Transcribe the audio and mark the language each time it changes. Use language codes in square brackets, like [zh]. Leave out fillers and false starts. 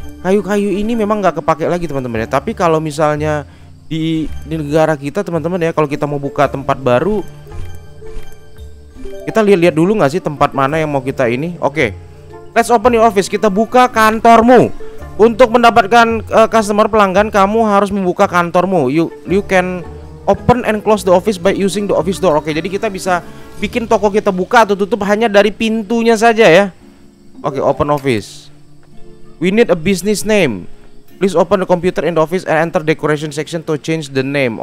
[id] Kayu-kayu ini memang nggak kepake lagi teman-teman ya. Tapi kalau misalnya di negara kita teman-teman ya, kalau kita mau buka tempat baru, kita lihat-lihat dulu nggak sih tempat mana yang mau kita ini. [en] Oke, let's open the office. [id] Kita buka kantormu. Untuk mendapatkan customer pelanggan, kamu harus membuka kantormu. [en] You can open and close the office by using the office door. [id] Oke, jadi kita bisa bikin toko kita buka atau tutup hanya dari pintunya saja ya. [en] Oke, open office. We need a business name. Please open the computer in the office and enter decoration section to change the name.